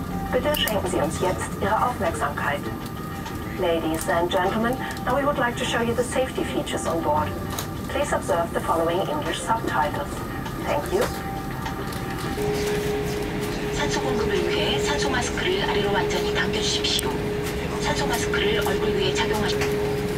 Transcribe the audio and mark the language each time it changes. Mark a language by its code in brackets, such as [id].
[de] Bitte schenken Sie uns jetzt Ihre Aufmerksamkeit. [en] Ladies and gentlemen, now we would like to show you the safety features on board. Please observe the following English subtitles. Thank you. [ko] 산소 공급을 위해 산소 마스크를 아래로 완전히 당겨주십시오. 산소 마스크를 얼굴 위에 착용하십시오.